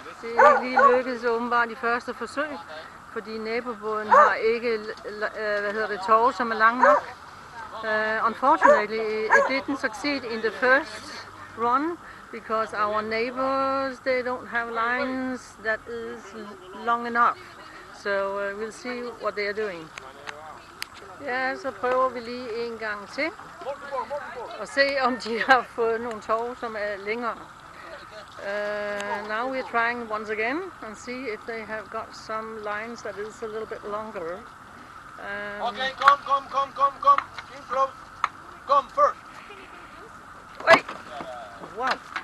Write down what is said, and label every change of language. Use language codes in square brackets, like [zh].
[da] Det er ikke lige lykkedes åbenbart i første forsøg, fordi nabobåden har ikke tov, som er lang nok. [en] Unfortunately, it didn't succeed in the first run, because our neighbors, they don't have lines that is long enough. So we'll see what they are doing. [da] Ja, så prøver vi lige en gang til, og se om de har fået nogle tov, som er længere. [en] Now we're trying once again and see if they have got some lines that is a little bit longer. Okay, come, in close, come first. Wait, what?